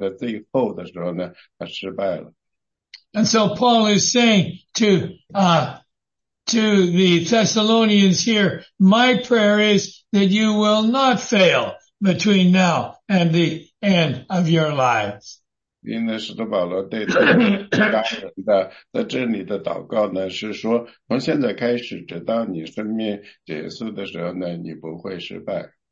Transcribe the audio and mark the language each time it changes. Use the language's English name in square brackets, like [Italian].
[Chinese] 因为当你读到圣经里那种历史上的那些事情的时候呢,你会感到非常的失望,因为有些人呢,在他人生终结的时候的最后的时候呢,他失败了。 [English] And so Paul is saying to the Thessalonians here, my prayer is that you will not fail between now and the end of your lives. [Chinese] 因为使徒保罗对他的家人的,在这里的祷告呢,是说,从现在开始直到你生命结束的时候呢,你不会失败。